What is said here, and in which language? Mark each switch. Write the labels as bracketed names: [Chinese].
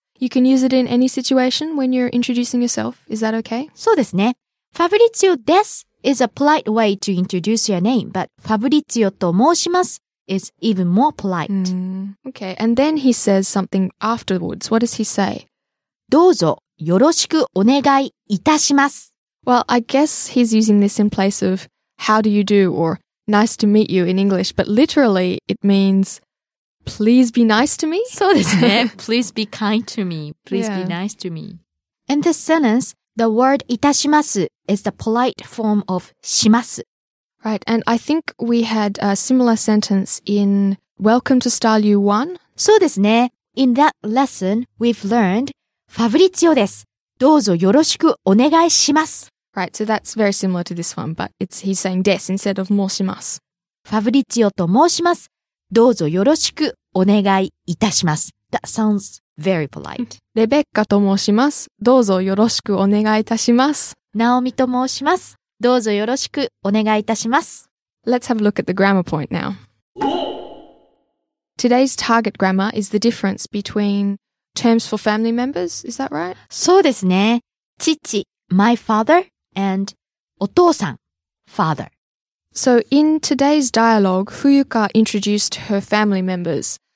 [English] You can use it in any situation when you're introducing yourself. Is that okay? [Japanese] そうですね。 [English] Fabrizio です is a polite way to introduce your name, but Fabrizio [Japanese] と申します [English] is even more polite. Mm, okay, and then he says something afterwards. What does he say? [Japanese] どうぞよろしくお願いいたします。 [English] Well, I guess he's using this in place of how do you do or nice to meet you in English, but literally it means please be nice to me. [Japanese] そうですね。 [English] Please be kind to me. Please be nice to me. In this sentence, the word いたします is the polite form of します。 Right, and I think we had a similar sentence in Welcome to Style U1. [Japanese] そうですね。 [English] In that lesson, we've learned Fabrizio です。 [Japanese] どうぞよろしくお願いします。 [English] Right, so that's very similar to this one, but he's saying です instead of 申します。 [Japanese] Fabrizio と申します。どうぞよろしくお願いいたします。 [English] That sounds very polite. [Japanese] レベッカと申します。どうぞよろしくお願いいたします。ナオミと申します。どうぞよろしくお願いいたします。 [English] Let's have a look at the grammar point now. Today's target grammar is the difference between terms for family members, is that right? [Japanese] そうですね。 [English] 父、my father, and お父さん、father. So in today's dialogue, Fuyuka introduced her family members.